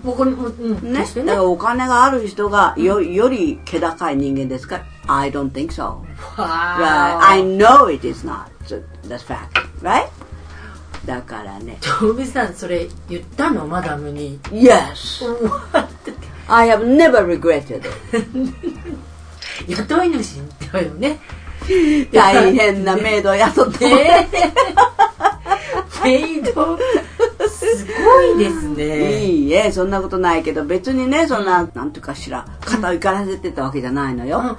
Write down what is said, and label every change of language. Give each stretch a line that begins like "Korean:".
Japanese: うん、お金持ち、うん、ね、確かにね。だからお金がある人が より気高い人間ですか、うん、
English: I don't think so. Wow. Right. I know it is not. That's fact. Right?
Japanese: だからね、トミさんそれ言ったの、マダムに。
English: Yes. What? I have never regretted it.
Japanese: 雇い主って言われるね、大変なメイドを雇って、ね、メイドすごいですね。いいえ、そんなことないけど、別にね、そんな、うん、なんとかしら肩を怒らせてたわけじゃないのよ、うん、